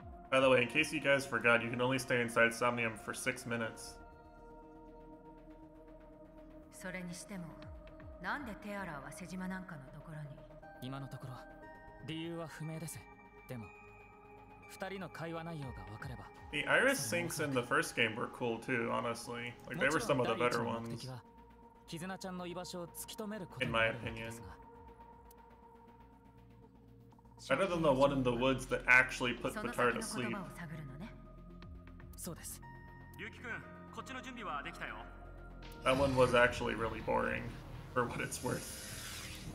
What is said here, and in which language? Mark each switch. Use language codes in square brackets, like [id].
[en] By the way, in case you guys forgot, you can only stay inside Somnium for 6 minutes. [ja] それにしても、なんでテアラーは瀬島なんかのところに？今のところ、理由は不明です。でも、二人の会話内容が分かれば。 [en] The Iris Syncs in the first game were cool too, honestly. Like, they were some of the better ones. [ja] もちろん第一の目的は、キズナちゃんの居場所を突き止めることになるわけですが。 [en] Better than the one in the woods that actually put Fatar to sleep. [ja] そうです。リュウキ君、こっちの準備はできたよ。 [en] That one was actually really boring, for what it's worth.